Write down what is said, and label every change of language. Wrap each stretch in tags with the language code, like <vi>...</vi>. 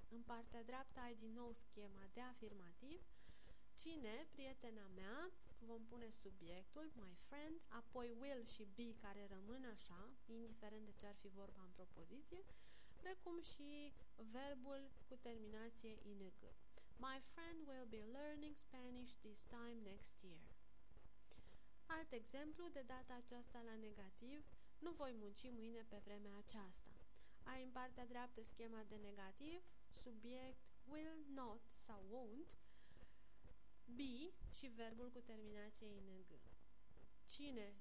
<ro>În partea dreaptă ai din nou schema de afirmativ. Cine? Prietena mea. Vom pune subiectul,</ro> <en>my friend,</en> <ro>apoi will și be, care rămân așa, indiferent de ce ar fi vorba în propoziție, precum și verbul cu terminație ing.</ro> <en>My friend will be learning Spanish this time next year.</en> <ro>Alt exemplu, de data aceasta la negativ, nu voi munci mâine pe vremea aceasta. Ai în partea dreaptă schema de negativ, subiect will not sau won't, be și verbul cu terminație ing. Cine?</ro>